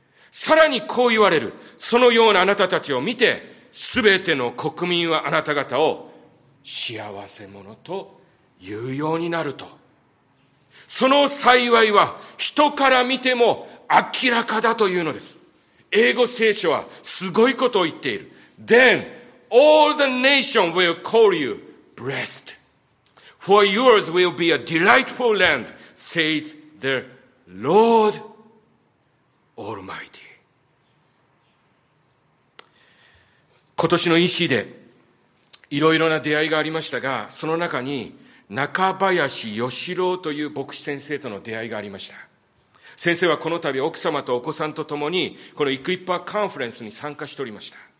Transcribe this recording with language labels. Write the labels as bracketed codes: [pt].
[ja] さらにこう言われる。そのようなあなたたちを見て、すべての国民はあなた方を幸せ者と言うようになると。その幸いは人から見ても明らかだというのです。英語聖書はすごいことを言っている。 [en] Then all the nation will call you blessed. For yours will be a delightful land, says the Lord Almighty. [ja] 今年の EC でいろいろな出会いがありましたが、その中に中林義郎という牧師先生との出会いがありました。先生はこの度奥様とお子さんとともにこのイクイッパーカンファレンスに参加しておりました。